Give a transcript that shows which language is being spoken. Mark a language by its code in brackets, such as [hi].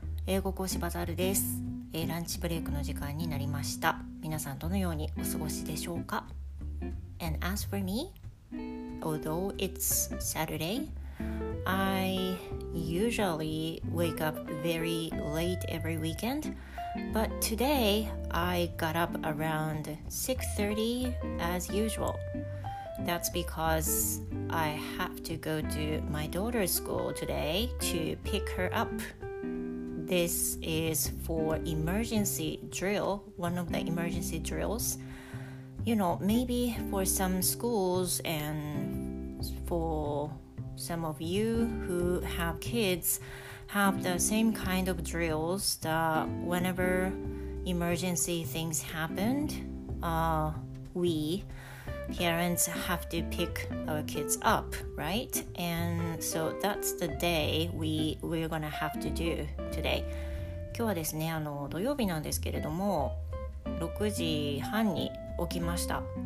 [ja] 英語講師バザールです。ランチブレイクの時間になりました。皆さん、どのようにお過ごしでしょうか? [en] And as for me, although it's Saturday,I usually wake up very late every weekend, but today I got up around 6:30 as usual. That's because I have to go to my daughter's school today to pick her up. This is for emergency drill, one of the emergency drills. You know, maybe for some schools and for... Some of you who have kids have the same kind of drills that whenever emergency things happened, we parents have to pick our kids up, right? And so that's the day we're gonna have to do today. [ja] 今日はですね、土曜日なんですけれども、6時半に起きました。